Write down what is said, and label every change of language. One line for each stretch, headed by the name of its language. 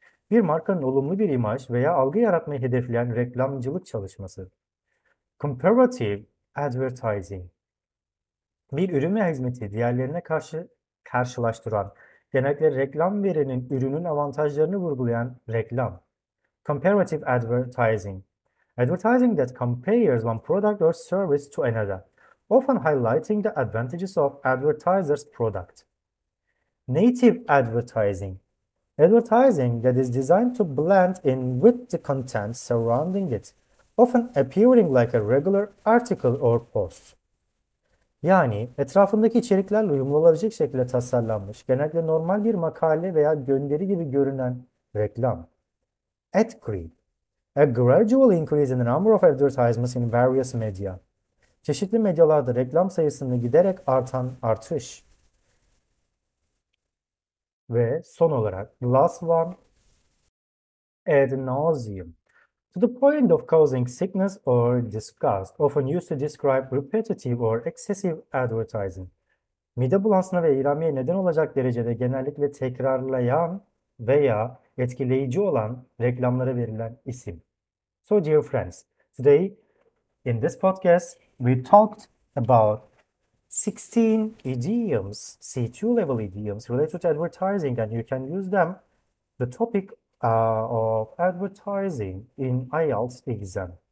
Turkish: Bir markanın olumlu bir imaj veya algı yaratmayı hedefleyen reklamcılık çalışması. Comparative advertising. Bir ürün ve hizmeti diğerlerine karşı karşılaştıran, genellikle reklam verenin ürünün avantajlarını vurgulayan reklam.
English: Comparative advertising. Advertising that compares one product or service to another, often highlighting the advantages of advertiser's product. Native advertising. Advertising that is designed to blend in with the content surrounding it, often appearing like a regular article or post.
Turkish: Yani etrafındaki içeriklerle uyumlu olabilecek şekilde tasarlanmış, genellikle normal bir makale veya gönderi gibi görünen reklam.
English: Ad creep. A gradual increase in the number of advertisements in various media.
Turkish: Çeşitli medyalarda reklam sayısını giderek artan artış. Ve son olarak,
English: last one,
Turkish: ad nauseum.
English: To the point of causing sickness or disgust, often used to describe repetitive or excessive advertising.
Turkish: Mide bulantısına ve iğrenmeye neden olacak derecede genellikle tekrarlayan veya etkileyici olan reklamlara verilen isim.
English: So dear friends, today in this podcast, we talked about 16 idioms, C2-level idioms related to advertising, and you can use them, the topic of advertising in IELTS exam.